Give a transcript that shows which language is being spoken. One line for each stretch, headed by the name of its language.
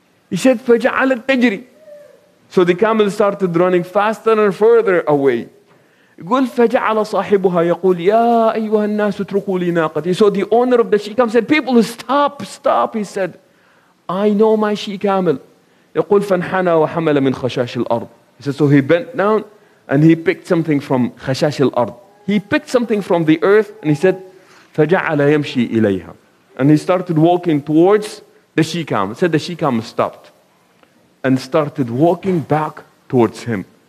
English: He said,
Arabic: "فَجَعَلَ التَّجْرِي."
English: So the camel started running faster and further away.
Arabic: قُلْ فَجَعَلَ صَاحِبُهَا يَقُولُ يَا أَيُّهَا النَّاسُ اتْرُكُوا لِي نَاقَتِي.
English: So the owner of the she camel said, "People, stop, stop." He said, "I know my she camel."
Arabic: يقول فانحنى وحمل من خشاش الأرض.
English: He said, so he bent down and he picked something from
Arabic: خشاش الأرض.
English: He picked something from the earth and he said,
Arabic: فجعل يمشي إليها.
English: And he started walking towards the she-camel. He said the she-camel stopped and started walking back towards him.